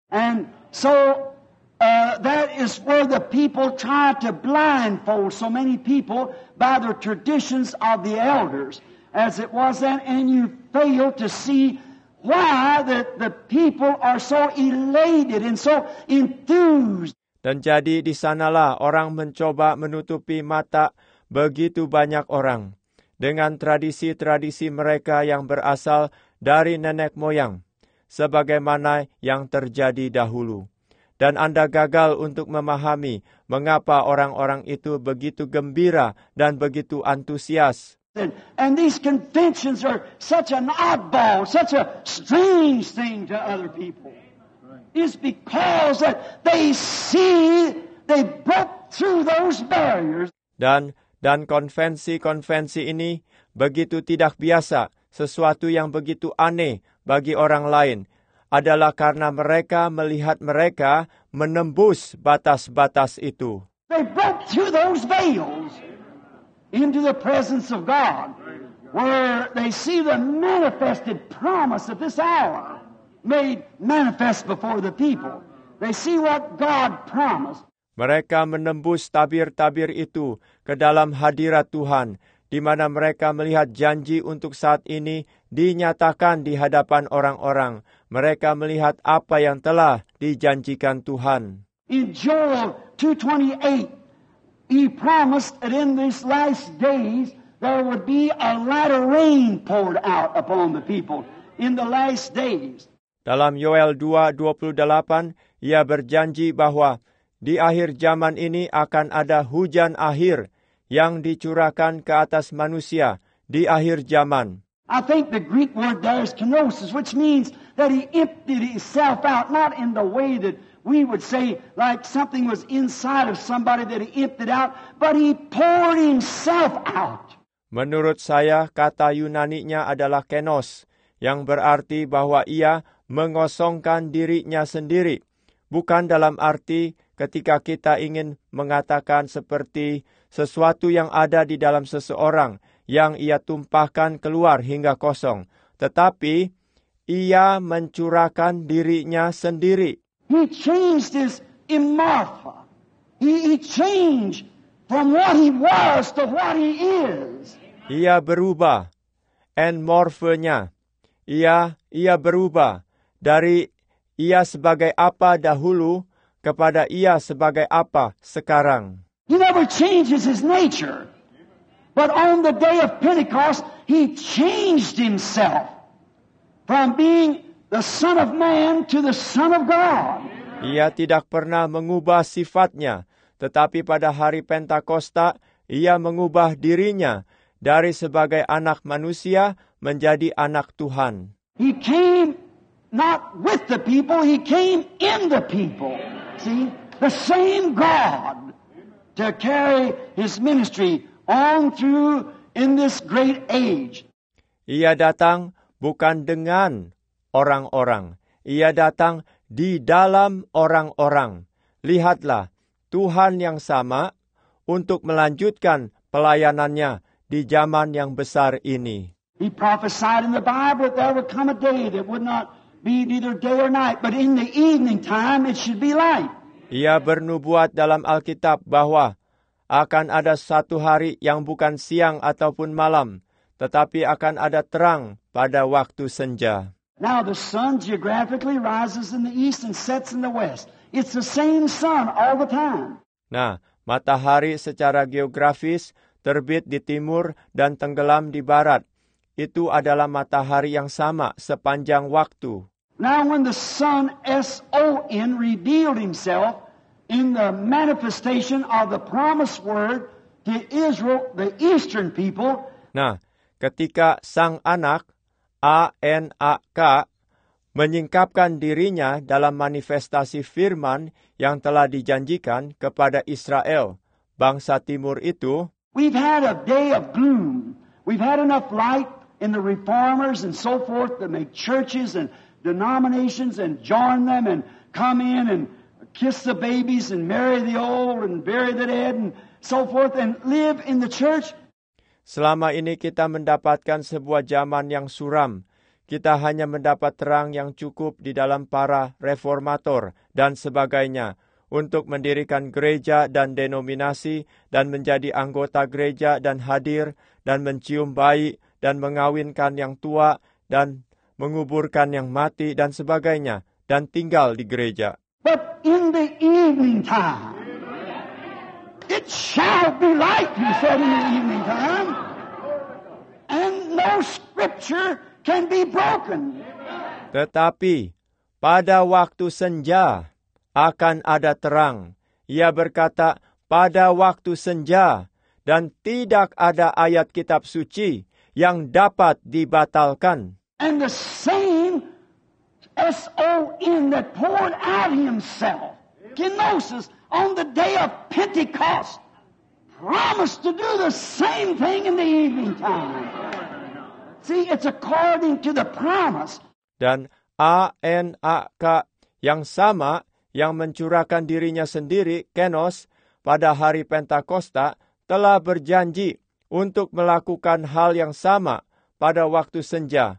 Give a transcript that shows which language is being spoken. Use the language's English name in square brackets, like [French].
[English] And so that is where the people try to blindfold so many people by the traditions of the elders, as it was then, and you fail to see why the people are so elated and so enthused. [Indonesian] Dan jadi di sanalah orang mencoba menutupi mata begitu banyak orang dengan tradisi-tradisi mereka yang berasal dari nenek moyang, sebagaimana yang terjadi dahulu. Dan Anda gagal untuk memahami mengapa orang-orang itu begitu gembira dan begitu antusias. [English] And these conventions are such an oddball, such a strange thing to other people. It's because that they see, they broke through those barriers. [Indonesian] Dan konvensi-konvensi ini begitu tidak biasa, sesuatu yang begitu aneh bagi orang lain, adalah karena mereka melihat mereka menembus batas-batas itu. [English] They broke through those veils into the presence of God, where they see the manifested promise of this hour made manifest before the people. They see what God promised. [Indonesian] Mereka menembus tabir-tabir itu ke dalam hadirat Tuhan, di mana mereka melihat janji untuk saat ini dinyatakan di hadapan orang-orang. Mereka melihat apa yang telah dijanjikan Tuhan. [English] In Joel 2:28, he promised that in these last days there would be a latter rain poured out upon the people in the last days. [Indonesian] Dalam Yoel 2:28, ia berjanji bahwa di akhir zaman ini akan ada hujan akhir yang dicurahkan ke atas manusia di akhir zaman. [English] I think the Greek word there is kenosis, which means that he emptied himself out, not in the way that we would say, like something was inside of somebody that he emptied out, but he poured himself out. [Indonesian] Menurut saya, kata Yunani-nya adalah kenos, yang berarti bahwa ia mengosongkan dirinya sendiri, bukan dalam arti ketika kita ingin mengatakan seperti sesuatu yang ada di dalam seseorang yang ia tumpahkan keluar hingga kosong. Tetapi, ia mencurahkan dirinya sendiri. [English] He changed his imartha. He changed from what he was to what he is. [Indonesian] Ia berubah, and morphenya. Ia berubah dari ia sebagai apa dahulu kepada ia sebagai apa sekarang. [English] He never changes his nature. But on the day of Pentecost, he changed himself from being the Son of Man to the Son of God. [Indonesian] Ia tidak pernah mengubah sifatnya, tetapi pada hari Pentakosta, ia mengubah dirinya dari sebagai anak manusia menjadi anak Tuhan. [English] He came not with the people, he came in the people. See, the same God to carry his ministry on through in this great age. [Indonesian] Ia datang bukan dengan orang-orang. Ia datang di dalam orang-orang. Lihatlah, Tuhan yang sama untuk melanjutkan pelayanannya di zaman yang besar ini. [English] He prophesied in the Bible that there would come a day that would not be neither day or night, but in the evening time it should be light. [Indonesian] Ia bernubuat dalam Alkitab bahwa akan ada satu hari yang bukan siang ataupun malam, tetapi akan ada terang pada waktu senja. [English] Now the sun geographically rises in the east and sets in the west. It's the same sun all the time. [Indonesian] Nah, matahari secara geografis terbit di timur dan tenggelam di barat. Itu adalah matahari yang sama sepanjang waktu. [English] Now when the sun, S-O-N, revealed himself in the manifestation of the promised word to Israel, the eastern people. [Indonesian] Nah, ketika sang anak, A-N-A-K, menyingkapkan dirinya dalam manifestasi firman yang telah dijanjikan kepada Israel, bangsa timur itu. [English] We've had a day of gloom. We've had enough light in the reformers and so forth to make churches and denominations and join them and come in and kiss the babies and marry the old and bury the dead and so forth and live in the church. [Indonesian] Selama ini kita mendapatkan sebuah zaman yang suram. Kita hanya mendapat terang yang cukup di dalam para reformator dan sebagainya untuk mendirikan gereja dan denominasi dan menjadi anggota gereja dan hadir dan mencium bayi dan mengawinkan yang tua dan menguburkan yang mati dan sebagainya dan tinggal di gereja. [English] But in the evening time, it shall be light, he said, in the evening time, and no scripture can be broken. [Indonesian] Tetapi, pada waktu senja, akan ada terang. Ia berkata, pada waktu senja, dan tidak ada ayat kitab suci yang dapat dibatalkan. [English] And the same S-O-N that poured out himself, kenosis, on the day of Pentecost, promised to do the same thing in the evening time. See, it's according to the promise. [Indonesian] Dan A-N-A-K yang sama, yang mencurahkan dirinya sendiri, kenos, pada hari Pentakosta, telah berjanji untuk melakukan hal yang sama pada waktu senja.